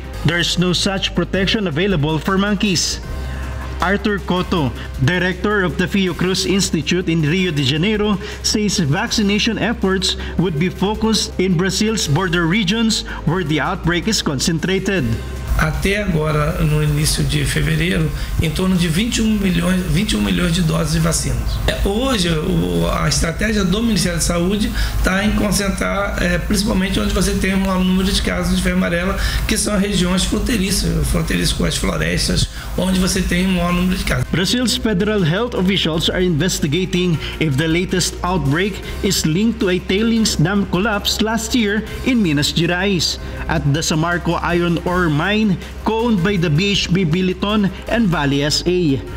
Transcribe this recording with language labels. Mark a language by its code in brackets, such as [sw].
[en] There is no such protection available for monkeys. Arthur Cotto, director of the Fiocruz Institute in Rio de Janeiro, says vaccination efforts would be focused in Brazil's border regions where the outbreak is concentrated. [pt] Até agora, no início de fevereiro, em torno de 21 milhões de doses de vacinas. Hoje, a estratégia do Ministério da Saúde está em concentrar, principalmente onde você tem um número de casos de febre amarela, que são regiões fronteiriças com as florestas, onde você tem um maior número de casos. [en] Brazil's federal health officials are investigating if the latest outbreak is linked to a tailings dam collapse last year in Minas Gerais at the Samarco iron ore mine, co-owned by the BHP Billiton and Vale S.A.